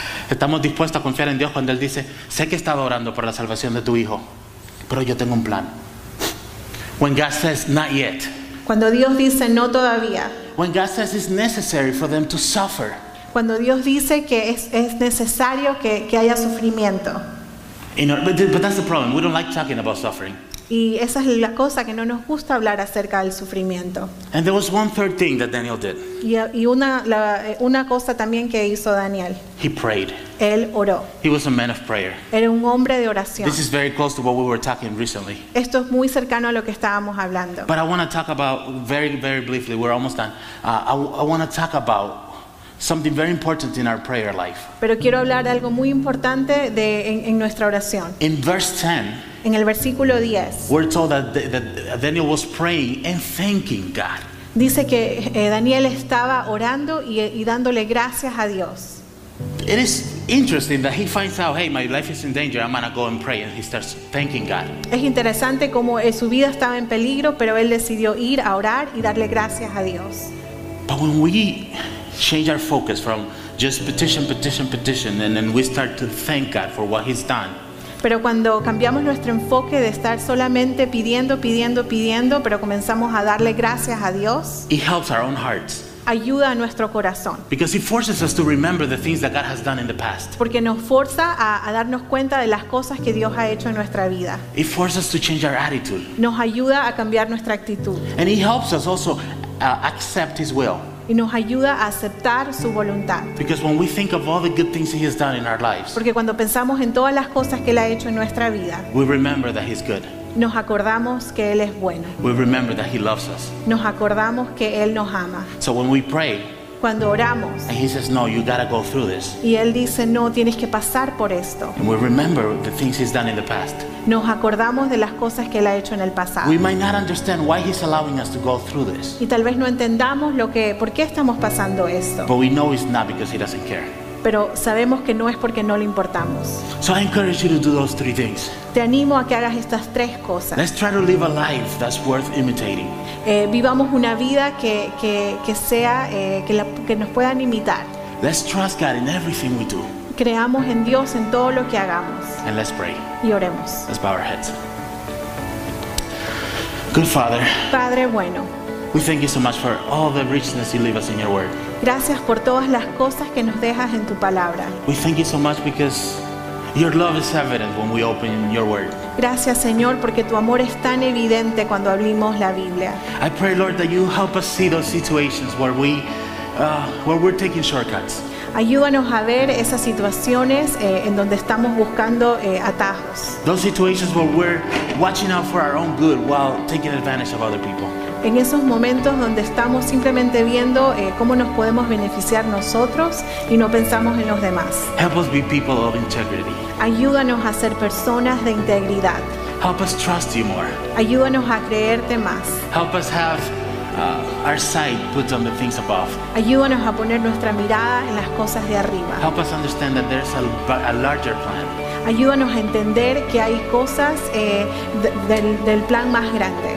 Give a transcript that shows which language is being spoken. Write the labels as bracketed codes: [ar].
[es] Estamos dispuestos a confiar en Dios cuando Él dice, sé que estaba orando por la salvación de tu hijo, pero yo tengo un plan. [en] When God says, not yet. [es] Cuando Dios dice, no todavía. [en] When God says, it's necessary for them to suffer. [es] Cuando Dios dice que es necesario que haya sufrimiento. [en] But that's the problem. We don't like talking about suffering. [es] Y esa es la cosa que no nos gusta hablar acerca del sufrimiento. [en] And there was one third thing that Daniel did. [es] Y una cosa también que hizo Daniel. [en] He prayed. [es] Él oró. [en] He was a man of prayer. [es] Era un hombre de oración. [en] This is very close to what we were talking recently. [es] Esto es muy cercano a lo que estábamos hablando. [en] But I want to talk about very very briefly. We're almost done. I want to talk about something very important in our prayer life. [es] Pero quiero hablar de algo muy importante en nuestra oración. [en] In verse 10. [es] En el versículo 10. [en] We're told that Daniel was praying and thanking God. [es] Dice que Daniel estaba orando y dándole gracias a Dios. [en] It is interesting that he finds out, hey, my life is in danger. I'm gonna go and pray, and he starts thanking God. [es] Es interesante cómo su vida estaba en peligro, pero él decidió ir a orar y darle gracias a Dios. [en] But when we change our focus from just petition, petition, petition, and then we start to thank God for what He's done. [es] Pero cuando cambiamos nuestro enfoque de estar solamente pidiendo, pidiendo, pidiendo, pero comenzamos a darle gracias a Dios, [en] it helps our own hearts. [es] Ayuda a nuestro corazón. [en] Because it forces us to remember the things that God has done in the past. [es] Porque nos forza a darnos cuenta de las cosas que Dios ha hecho en nuestra vida. [en] It forces us to change our attitude. [es] Nos ayuda a cambiar nuestra actitud. [en] And it helps us also accept His will. [es] Y nos ayuda a aceptar su voluntad. [en] Because when we think of all the good things He has done in our lives, [es] porque cuando pensamos en todas las cosas que Él ha hecho en nuestra vida, [en] we remember that He's good. [es] Nos acordamos que Él es bueno. [en] We remember that He loves us. [es] Nos acordamos que Él nos ama. [en] So when we pray, [es] cuando oramos, [en] and He says, no, you gotta go through this. [es] Y Él dice, no, tienes que pasar por esto. [en] And we remember the things He's done in the past. [es] Nos acordamos de las cosas que Él ha hecho en el pasado. [en] We might not understand why He's allowing us to go through this. [es] Y tal vez no entendamos por qué estamos pasando esto. [en] But we know it's not because He doesn't care. [es] Pero sabemos que no es porque no le importamos. [en] So I encourage you to do those three things. [es] Te animo a que hagas estas tres cosas. [en] Let's try to live a life that's worth imitating. [es] Vivamos una vida que nos puedan imitar. [en] Let's trust God in everything we do. [es] Creamos en Dios en todo lo que hagamos. [en] And let's pray. [es] Y oremos. [en] Let's bow our heads. Good Father. [es] Padre bueno. [en] We thank you so much for all the richness you leave us in your word. [es] Gracias por todas las cosas que nos dejas en tu palabra. [en] We thank you so much because your love is evident when we open your word. [es] Gracias, Señor, porque tu amor es tan evidente cuando abrimos la Biblia. [en] I pray, Lord, that you help us see those situations where we're taking shortcuts. [es] Ayúdanos a ver esas situaciones en donde estamos buscando atajos. [en] Those situations where we're watching out for our own good while taking advantage of other people. [es] En esos momentos donde estamos simplemente viendo cómo nos podemos beneficiar nosotros y no pensamos en los demás. [en] Help us be people of integrity. [es] Ayúdanos a ser personas de integridad. [en] Help us trust you more. [es] Ayúdanos a creerte más. [en] Help us have our sight put on the things above. [es] Ayúdanos a poner nuestra mirada en las cosas de arriba. [en] Help us understand that there's a larger plan. [es] Ayúdanos a entender que hay cosas del plan más grande.